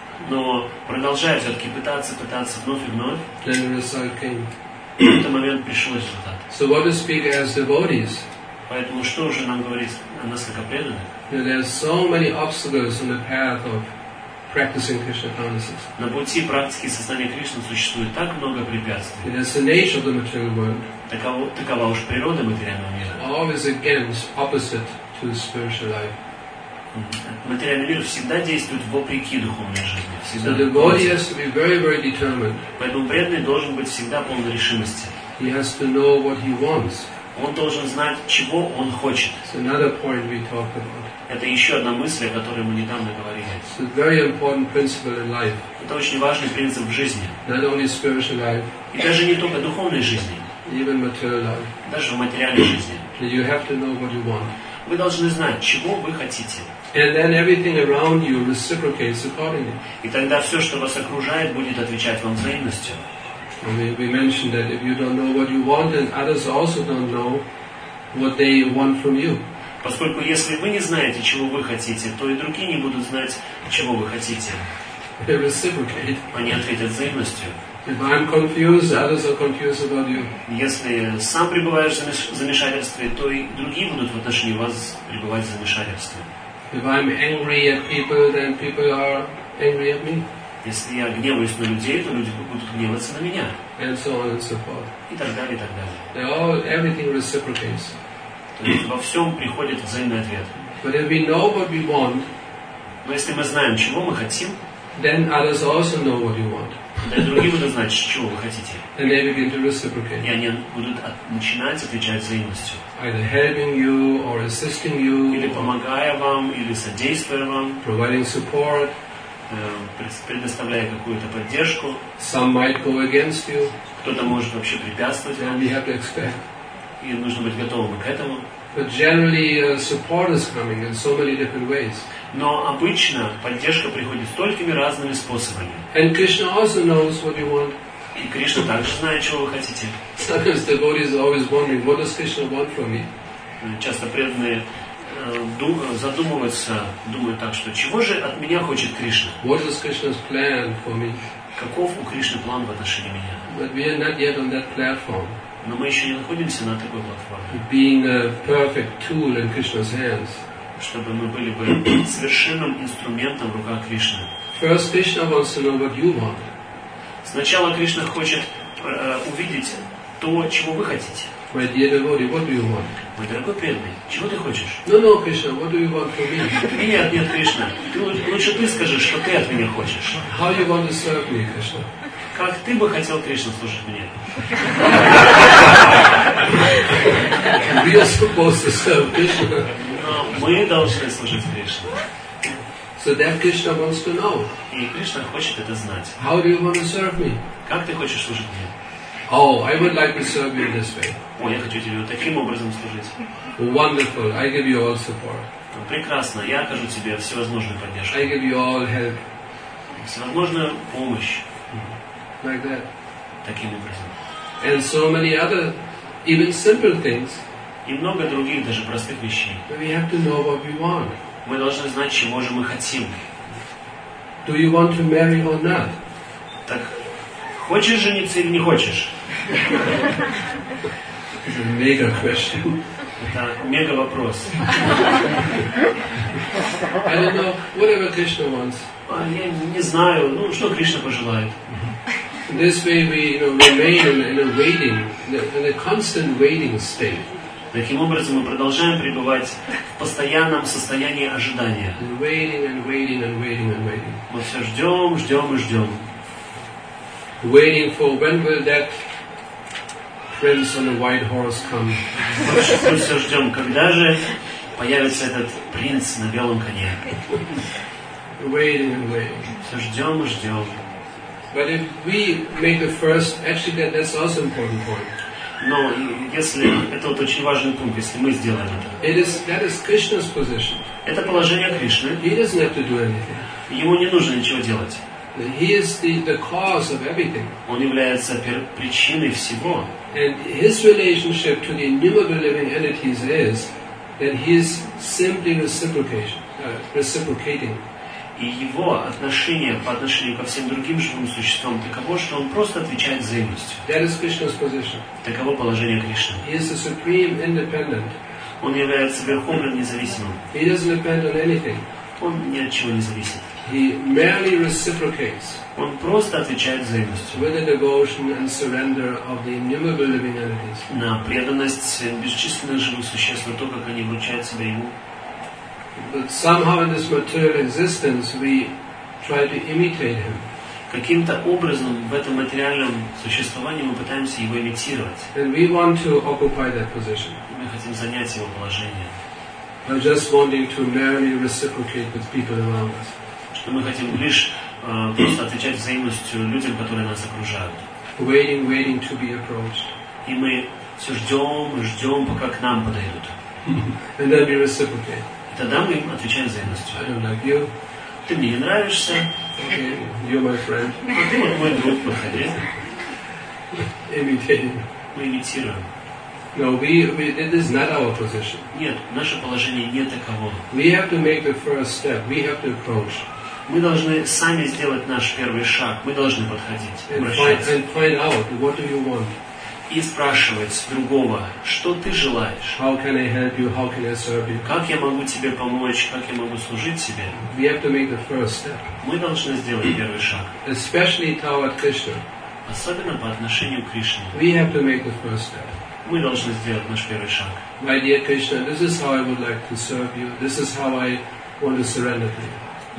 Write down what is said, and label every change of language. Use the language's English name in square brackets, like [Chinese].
[Russian] Но продолжая все-таки пытаться вновь и вновь, в какой-то момент пришел результат. [English] So what to speak as devotees? [Russian] Поэтому что уже нам говорить о нас как о преданных? [English] There are so many obstacles on the path of practicing Krishna consciousness. [Russian] На пути практики сознания Кришны существует так много препятствий. [English] It is the nature of the material world. [Russian] Такова уж природа материального мира. [English] Always against, opposite to the spiritual life. [Russian] Материальный мир всегда действует вопреки духовной жизни. Всегда. [English] So the body has to be very, very determined. [Russian] Поэтому преданный должен быть всегда полной решимости. [English] He has to know what he wants. [Russian] Он должен знать, чего он хочет. [English] It's another point we talked about. [Russian] Это еще одна мысль, о которой мы недавно говорили. [English] It's a very important principle in life. [Russian] Это очень важный принцип в жизни. [English] Not only spiritual life. [Russian] И даже не только духовной жизни. [English] Even material life. [Russian] Даже в материальной жизни. [English] So you have to know what you want. [Russian] Вы должны знать, чего вы хотите. [English] And then everything around you reciprocates accordingly. [Russian] И тогда все, что вас окружает, будет отвечать вам взаимностью. [English] We mentioned that if you don't know what you want, then others also don't know what they want from you. [Russian] Поскольку если вы не знаете, чего вы хотите, то и другие не будут знать, чего вы хотите. [English] They reciprocate. [Russian] Они ответят взаимностью. [English] If I'm confused, others are confused about you. [Russian] Если сам пребываешь в замешательстве, то и другие будут в отношении вас пребывать в замешательстве. [English] If I'm angry at people, then people are angry at me. [Russian] Если я гневаюсь на людей, то люди будут гневаться на меня. [English] And so on and so forth. [Russian] И так далее, и так далее. [English] They all, everything reciprocates. [Russian] То есть во всем приходит взаимный ответ. [English] But if we know what we want, [Russian] но если мы знаем, чего мы хотим, [English] then others also know what you want. [Russian] Да и другие будут знать, чего вы хотите. [English] And they begin to reciprocate. [Russian] И они будут начинать отвечать взаимностью. [English] Either helping you or assisting you. [Russian] Или помогая вам, или содействуя вам. [English] Providing support. [Russian] Предоставляя какую-то поддержку. [English] Some might go against you. [Russian] Кто-то может вообще препятствовать. [English] And we have to expect. [Russian] И нужно быть готовым к этому. [English] But generally, support is coming in so many different ways. [Russian] Но обычно поддержка приходит столькими разными способами. [English] And Krishna also knows what you want. [Russian] И Кришна также знает, чего вы хотите. [English] Sometimes the devotee is always wondering, what does Krishna want from me? [Russian] Часто преданные задумываются, думают так, что чего же от меня хочет Кришна? [English] What is Krishna's plan for me? [Russian] Каков у Кришны план в отношении меня? [English] But we are not yet on that platform. [Russian] Но мы еще не находимся на такой платформе. [English] Being a perfect tool in Krishna's hands. [Russian] Чтобы мы были бы совершенным инструментом в руках Кришны. [English] First, Krishna wants to know what you want. [Russian] Сначала Кришна хочет увидеть то, чего вы хотите. [English] My dear devotee, what do you want? [Russian] Мой дорогой преданный, чего ты хочешь? [English] No, no, Krishna, what do you want from me? [Russian] Нет, нет, Кришна, лучше ты скажешь, что ты от меня хочешь. [English] How you want to serve me, Krishna? [Russian] Как ты бы хотел, Кришна, служить мне? [English] We are supposed to serve Krishna. [Russian] Мы должны служить Кришне. [English] So that Krishna wants to know. [Russian] И Кришна хочет это знать. [English] How do you want to serve me? [Russian] Как ты хочешь служить мне? [English] Oh, I would like to serve you this way. [Russian] О, я хочу тебе вот таким образом служить. [English] Wonderful. I give you all support. [Russian] Прекрасно. Я окажу тебе всевозможную поддержку. [English] I give you all help. [Russian] Всевозможную помощь. [English] Like that. [Russian] Таким образом. [English] And so many other, even simple things. [Russian] И много других даже простых вещей. [English] But we have to know what we want. [Russian] Мы должны знать, чего же мы хотим. [English] Do you want to marry or not? [Russian] Так, хочешь жениться или не хочешь? [English] It's a mega question. [Russian] Это мега вопрос. [English] I don't know. Whatever Krishna wants. [Russian] Я не знаю. Ну, что Кришна пожелает. [English] This way we, you know, remain in a waiting, in a constant waiting state. [Russian] Таким образом, мы продолжаем пребывать в постоянном состоянии ожидания. [English] And waiting, and waiting, and waiting, and waiting. [Russian] Мы все ждем, ждем и ждем. [English] Waiting for when will that prince on a white horse come? [Russian] Мы все ждем, когда же появится этот принц на белом коне. [English] Waiting and waiting. [Russian] Все ждем и ждем. [English] But if we make the first, actually, that's also an important point. [Russian] Но если это вот очень важный пункт, если мы сделаем это. [English] That is Krishna's position. [Russian] Это положение Кришны. [English] He doesn't have to do anything. [Russian] Ему не нужно ничего делать. [English] He is the cause of everything. [Russian] Он является причиной всего. [English] And his relationship to the innumerable living entities is that he is simply reciprocating. [Russian] И его отношение по отношению ко всем другим живым существам таково, что он просто отвечает взаимностью. [English] That is Krishna's position. [Russian] Таково положение Кришны. [English] He is a supreme independent. [Russian] Он является верховным независимым. [English] He doesn't depend on anything. [Russian] Он ни от чего не зависит. [English] He merely reciprocates. [Russian] Он просто отвечает взаимностью. [English] With the devotion and surrender of the innumerable living entities. [Russian] На преданность бесчисленных живых существ, на то, как они вручают себя ему. [English] But somehow in this material existence we try to imitate him. [Russian] Каким-то образом в этом материальном существовании мы пытаемся его имитировать. [English] And we want to occupy that position. [Russian] Мы хотим занять его положение. [English] I'm just wanting to merely reciprocate with people around us. [Russian] Что мы хотим лишь просто отвечать взаимностью людям, которые нас окружают. [English] Waiting to be approached. [Russian] И мы все ждем, пока к нам подойдут. [English] And then we reciprocate. [Russian] И тогда мы им отвечаем взаимностью. [English] I don't like you. [Russian] Ты мне не нравишься. [English] Okay, you're my friend. [Russian] А ты вот мой друг, проходи. [English] Imitating. [Russian] Мы имитируем. [English] No, we. It is not our position. [Russian] Нет, наше положение не таково. [English] We have to make the first step. We have to approach. [Russian] Мы должны сами сделать наш первый шаг. Мы должны подходить, обращаться. [English] And find out what do you want. [Russian] И спрашивать другого, что ты желаешь. [English] How can I help you? How can I serve you? [Russian] Как я могу тебе помочь? Как я могу служить тебе? [English] We have to make the first step. [Russian] Мы должны сделать первый шаг. [English] Especially toward Krishna. [Russian] Особенно по отношению к Кришне. [English] We have to make the first step. [Russian] Мы должны сделать наш первый шаг. [English] My dear Krishna, this is how I would like to serve you. This is how I want to surrender to you.